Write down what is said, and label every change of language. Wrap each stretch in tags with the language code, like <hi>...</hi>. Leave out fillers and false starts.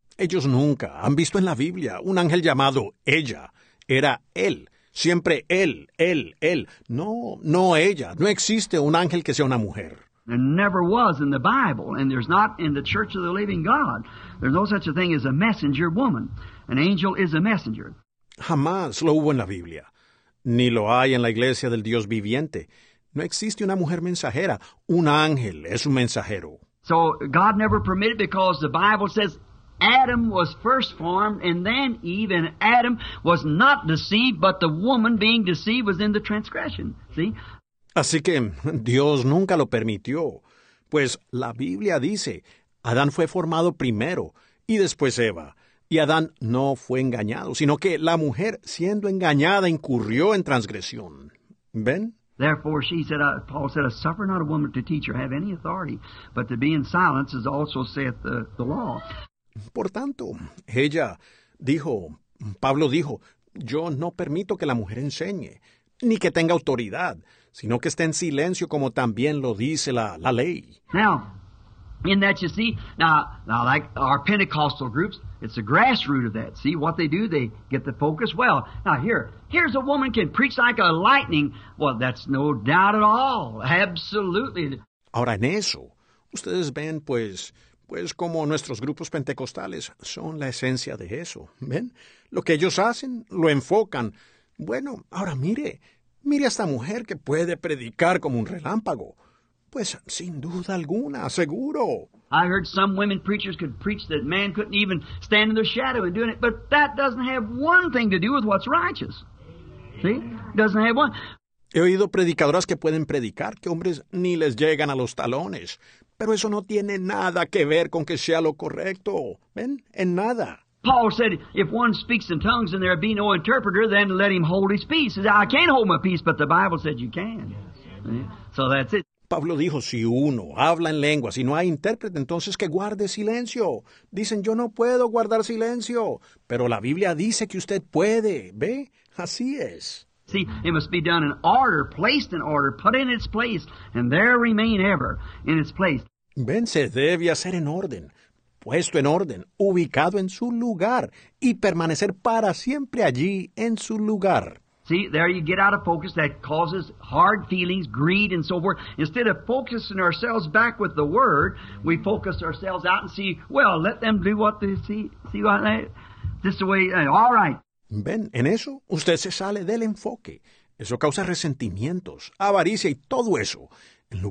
<es>Ellos nunca han visto en la Biblia un ángel llamado ella. Era él, siempre él. No ella. No existe un ángel que sea una mujer.</es> <en>There never was in the Bible, and there's not in the Church of the Living God. There's no such a thing as a messenger woman. An angel is a messenger.</en> <es>Jamás lo hubo en la Biblia. Ni lo hay en la Iglesia del Dios Viviente. No existe una mujer mensajera. Un ángel es un mensajero.</es> <en>So God never permitted because the Bible says Adam was first formed, and then Eve, and Adam was not deceived, but the woman being deceived was in the transgression. See?</en> <es>Así que Dios nunca lo permitió, pues la Biblia dice, Adán fue formado primero, y después Eva, y Adán no fue engañado, sino que la mujer, siendo engañada, incurrió en transgresión. ¿Ven?</es> <en>Therefore, she said, Paul said, I suffer not a woman to teach or have any authority, but to be in silence, as also saith the law.</en> <es>Por tanto, ella dijo, Pablo dijo, yo no permito que la mujer enseñe, ni que tenga autoridad, sino que esté en silencio como también lo dice la ley.</es> <en>Now, in that you see, now like our Pentecostal groups, it's the grassroots of that. See, what they do, they get the focus well. Now here's a woman can preach like a lightning. Well, that's no doubt at all. Absolutely.</en> <es>Ahora en eso, ustedes ven, pues como nuestros grupos pentecostales son la esencia de eso. ¿Ven? Lo que ellos hacen, lo enfocan. Bueno, ahora mire a esta mujer que puede predicar como un relámpago. Pues sin duda alguna, seguro.</es> <en>I heard some women preachers could preach that man couldn't even stand in the shadow and doing it, but that doesn't have one thing to do with what's righteous. See? Doesn't have one.</en> <es>He oído predicadoras que pueden predicar que hombres ni les llegan a los talones. Pero eso no tiene nada que ver con que sea lo correcto. ¿Ven? En nada.</es> <en>Paul said, if one speaks in tongues and there be no interpreter, then let him hold his peace. He said, I can't hold my peace, but the Bible said you can. Yes. So that's it.</en> <es>Pablo dijo, si uno habla en lenguas y no hay intérprete, entonces que guarde silencio. Dicen, yo no puedo guardar silencio. Pero la Biblia dice que usted puede. ¿Ve? Así es.</es> <en>See, it must be done in order, placed in order, put in its place, and there remain ever in its place.</en> <es>Ven, se debe hacer en orden, puesto en orden, ubicado en su lugar, y permanecer para siempre allí en su lugar.</es> <en>See, there you get out of focus, that causes hard feelings, greed, and so forth. Instead of focusing ourselves back with the Word, we focus ourselves out and see, well, let them do what they see what they, this way, all right.</en> <es>Ven, en eso, usted se sale del enfoque. Eso causa resentimientos, avaricia y todo eso. En lugar</es>